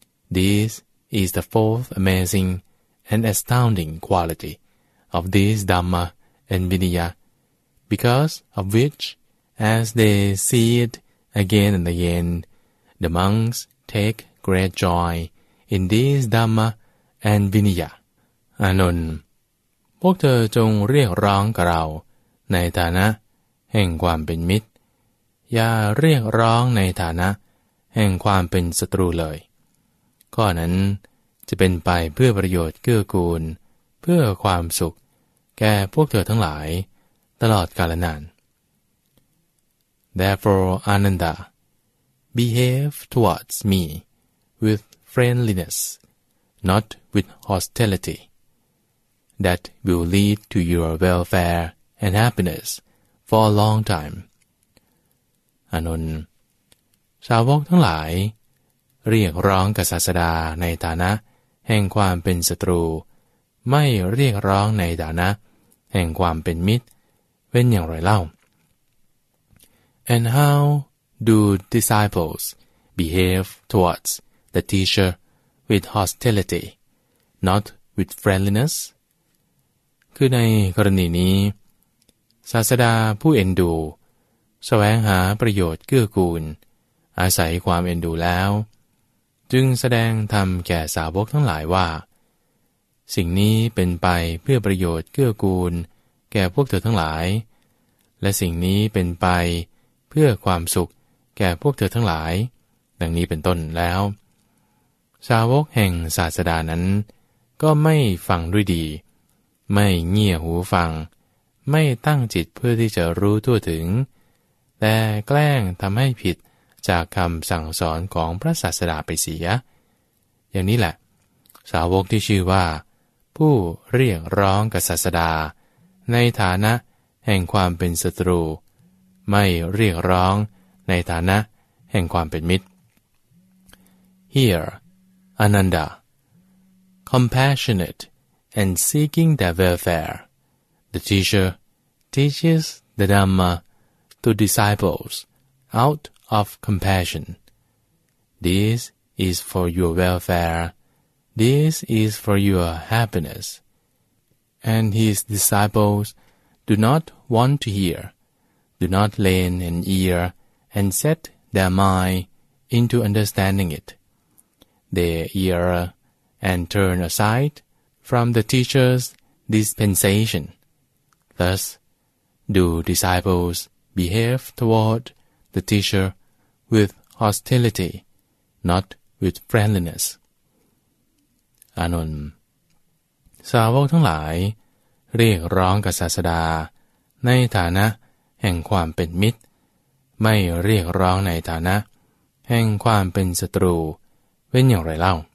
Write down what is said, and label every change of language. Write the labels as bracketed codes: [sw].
[en] This is the fourth amazing and astounding quality of this Dhamma and Vinaya, because of which, as they see it again and again, the monks take great joy in this Dhamma and Vinaya. [th] Anun, พวกเธอจงเรียกร้องกับเราในฐานะแห่งความเป็นมิตรอย่าเรียกร้องในฐานะแห่งความเป็นศัตรูเลยข้อนั้นจะเป็นไปเพื่อประโยชน์เกื้อกูลเพื่อความสุขแก่พวกเธอทั้งหลายตลอดกาลนาน [en] Therefore, Ananda, behave towards me with friendliness, not with hostility. That will lead to your welfare and happiness for a long time. [th] Anun, สาวกทั้งหลายเรียกร้องกับศาสดาในฐานะแห่งความเป็นศัตรูไม่เรียกร้องในฐานะแห่งความเป็นมิตรเป็นอย่างไรเล่า [en] And how do disciples behave towards the teacher with hostility, not with friendliness? [th] คือในกรณีนี้ศาสดาผู้เอ็นดูแสวงหาประโยชน์เกื้อกูลอาศัยความเอ็นดูแล้วจึงแสดงธรรมแก่สาวกทั้งหลายว่าสิ่งนี้เป็นไปเพื่อประโยชน์เกื้อกูลแก่พวกเธอทั้งหลายและสิ่งนี้เป็นไปเพื่อความสุขแก่พวกเธอทั้งหลายดังนี้เป็นต้นแล้ว สาวกแห่งศาสดานั้นก็ไม่ฟังด้วยดีไม่เงี่ยหูฟังไม่ตั้งจิตเพื่อที่จะรู้ทั่วถึงแต่แกล้งทำให้ผิดจากคำสั่งสอนของพระศาสดาไปเสียอย่างนี้แหละสาวกที่ชื่อว่าผู้เรียกร้องกับศาสดาในฐานะแห่งความเป็นศัตรูไม่เรียกร้องในฐานะแห่งความเป็นมิตร [en] Here, Ananda, compassionate and seeking their welfare, the teacher teaches the Dhamma to disciples out of compassion. This is for your welfare. This is for your happiness. And his disciples do not want to hear, do not lend an ear and set their mind into understanding it. They err and turn aside from the teacher's dispensation. Thus, do disciples behave toward the teacher with hostility, not with friendliness? [th] Anun, สาวกทั้งหลายเรียกร้องกับศาสดาในฐานะแห่งความเป็นมิตรไม่เรียกร้องในฐานะแห่งความเป็นศัตรูเป็นอย่างไรเล่า